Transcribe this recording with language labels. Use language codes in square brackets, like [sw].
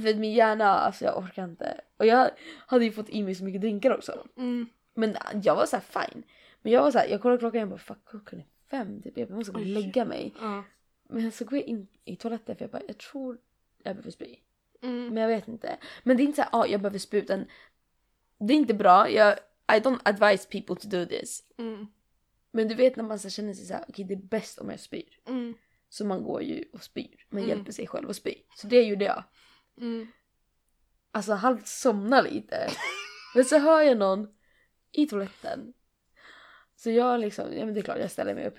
[sv] För min hjärna, alltså jag orkar inte. Och jag hade ju fått i mig så mycket drinkar också. Mm. Men jag var så här fine. Men jag var så här, jag kollade klockan och jag bara, fuck, klockan är 5. Typ. Jag måste gå och lägga mig. Ja. Men så går jag in i toaletten för jag bara, jag tror jag behöver spy. Mm. Men jag vet inte. Men det är inte så här, jag behöver spy. Utan det är inte bra. Jag, [en] I don't advise people to do this. [sv] Mm. Men du vet när man så känner sig så här, okej, det är bäst om jag spyr. Mm. Så man går ju och spyr. Man hjälper sig själv att spy. Så det gjorde jag. Mm. Alltså halvt somna lite. Men så hör jag någon i toaletten. Så jag liksom, ja men det är klart, jag ställer mig upp.